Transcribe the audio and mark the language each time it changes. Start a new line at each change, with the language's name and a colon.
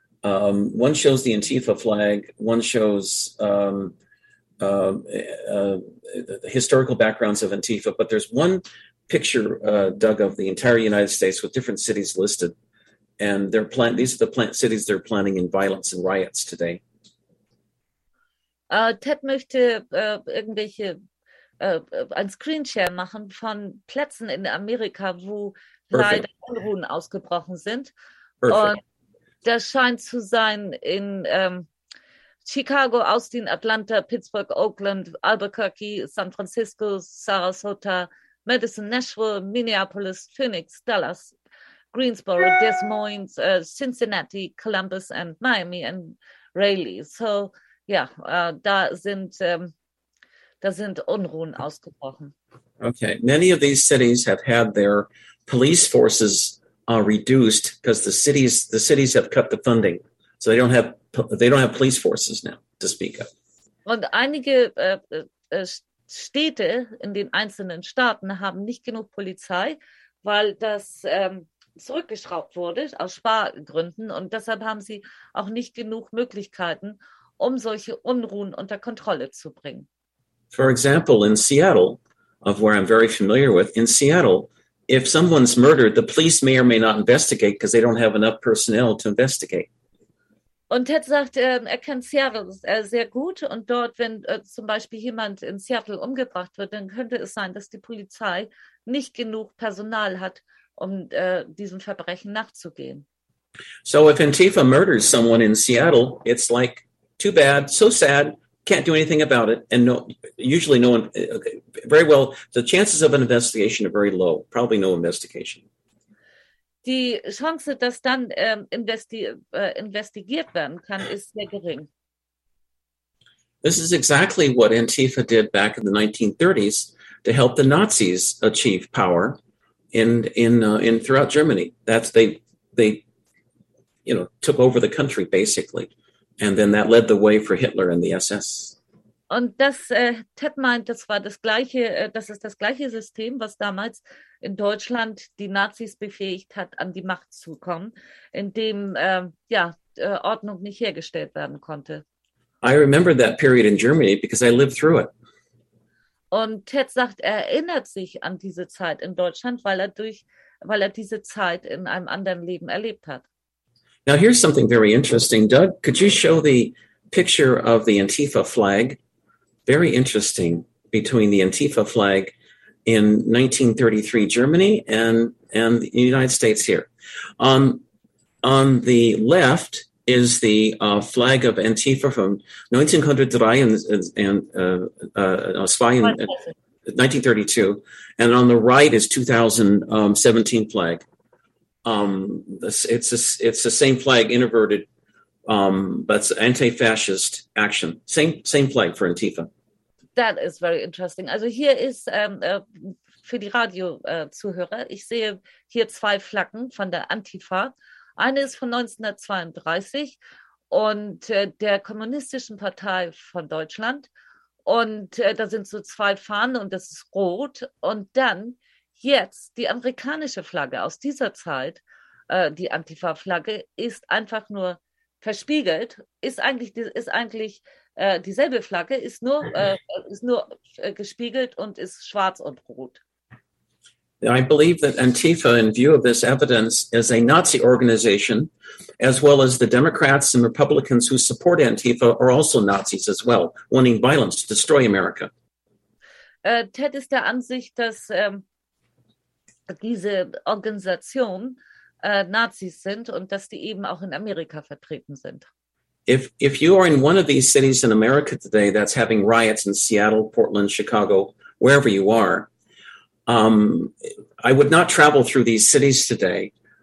English: One shows the Antifa flag. One shows the historical backgrounds of Antifa. But there's one picture, Doug, of the entire United States with different cities listed. And these are the cities they're planning in violence and riots today.
German: Ted möchte irgendwelche ein Screenshare machen von Plätzen in Amerika, wo leider Unruhen ausgebrochen sind. Und das scheint zu sein in Chicago, Austin, Atlanta, Pittsburgh, Oakland, Albuquerque, San Francisco, Sarasota, Madison, Nashville, Minneapolis, Phoenix, Dallas, Greensboro, Des Moines, Cincinnati, Columbus and Miami and Raleigh. So, ja, da sind Unruhen ausgebrochen.
English: Okay, many of these cities have had their police forces reduced because the cities have cut the funding, so they don't have police forces now to speak of.
German: Und einige Städte in den einzelnen Staaten haben nicht genug Polizei, weil das zurückgeschraubt wurde aus Spargründen und deshalb haben sie auch nicht genug Möglichkeiten, um solche Unruhen unter Kontrolle zu bringen.
English: For example, in Seattle, of where I'm very familiar with, in Seattle, if someone's murdered, the police may or may not investigate because they don't have enough personnel to investigate.
German: Und Ted sagt, er kennt Seattle sehr gut und dort, wenn zum Beispiel jemand in Seattle umgebracht wird, dann könnte es sein, dass die Polizei nicht genug Personal hat, um diesem Verbrechen nachzugehen.
English: So if Antifa murders someone in Seattle, it's like, too bad, so sad, can't do anything about it. And no, usually no one, okay, very well, the chances of an investigation are very low, probably no investigation.
German: Die Chance, dass dann investigiert werden kann, ist sehr gering.
English: This is exactly what Antifa did back in the 1930s to help the Nazis achieve power in throughout Germany. That's they took over the country, basically. And then that led the way for Hitler and the SS.
German: Und das, Ted meint, das war das gleiche, das ist das gleiche System, was damals in Deutschland die Nazis befähigt hat, an die Macht zu kommen, indem Ordnung nicht hergestellt werden konnte.
English: I remember that period in Germany because I lived through it.
German: Und Ted sagt, er erinnert sich an diese Zeit in Deutschland, weil er diese Zeit in einem anderen Leben erlebt hat.
English: Now here's something very interesting. Doug, could you show the picture of the Antifa flag? Very interesting, between the Antifa flag in 1933 Germany and the United States here. On the left is the flag of Antifa from 1903 1932, and on the right is 2017 flag. It's the same flag inverted, but it's anti-fascist action. Same flag for Antifa. That is very interesting.
German: Also hier ist für die Radio-Zuhörer, ich sehe hier zwei Flaggen von der Antifa. Eine ist von 1932 und der Kommunistischen Partei von Deutschland. Und da sind so zwei Fahnen und das ist rot. Und dann jetzt die amerikanische Flagge aus dieser Zeit, die Antifa-Flagge, ist einfach nur verspiegelt, ist eigentlich dieselbe Flagge, ist nur gespiegelt und ist schwarz und rot.
English: I believe that Antifa, in view of this evidence, is a Nazi organization, as well as the Democrats and Republicans who support Antifa are also Nazis as well, wanting violence to destroy America.
German: Ted ist der Ansicht, dass diese Organisation Nazis sind und dass die eben auch in Amerika vertreten sind.
English: If you are in one of these cities in America today that's having riots in Seattle, Portland, Chicago, wherever you are, I would not travel through these cities today.